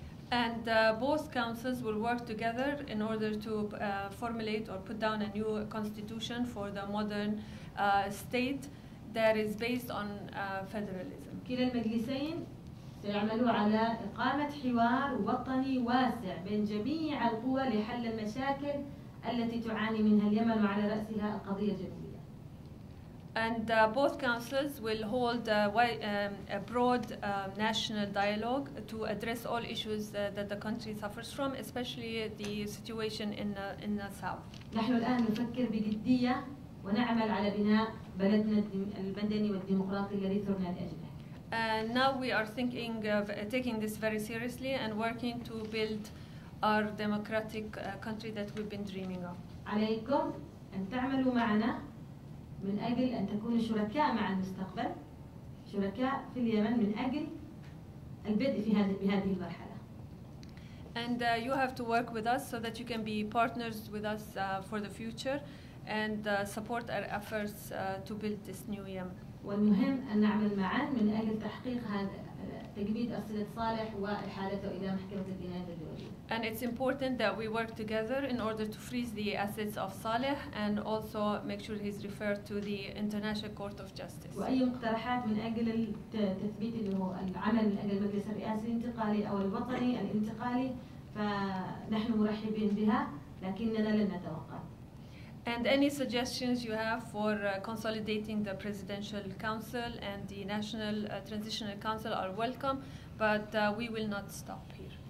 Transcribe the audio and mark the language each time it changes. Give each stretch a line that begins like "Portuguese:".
English: And both councils will work together in order to formulate or put down a new constitution for the modern state that is based on federalism.
Arabic: سيعملوا على إقامة حوار وطني واسع بين جميع القوى لحل المشاكل التي تعاني منها اليمن وعلى رأسها القضية الجنوبية.
English: And both councils will hold a broad national dialogue to address all issues that the country suffers from, especially the situation in the south.
Arabic: نحن الآن نفكر بجدية ونعمل على بناء بلدنا المدني والديمقراطي الذي ثرنا لأجله.
English: And now we are thinking of taking this very seriously and working to build our democratic country that we've been dreaming of.
Arabic: عليكم أن تعملوا معنا من أجل أن تكونوا شركاء مع المستقبل، شركاء في اليمن من أجل البدء في هذه المرحلة.
English: And you have to work with us so that you can be partners with us for the future and support our efforts to build this new Yemen.
Arabic: والمهم أن نعمل معاً من أجل تحقيق تجميد أصلة صالح وإحالته إلى محكمة الجنايات الدولية.
English: And it's important that we work together in order to freeze the assets of Saleh and also make sure he's referred to the International Court of Justice.
Arabic: وأي اقتراحات من أجل التثبيت اللي هو العمل من أجل المجلس الرئاسي الانتقالي أو الوطني الانتقالي فنحن مرحبين بها لكننا لن نتوقف.
English: And any suggestions you have for consolidating the Presidential Council and the National Transitional Council are welcome, but we will not stop here.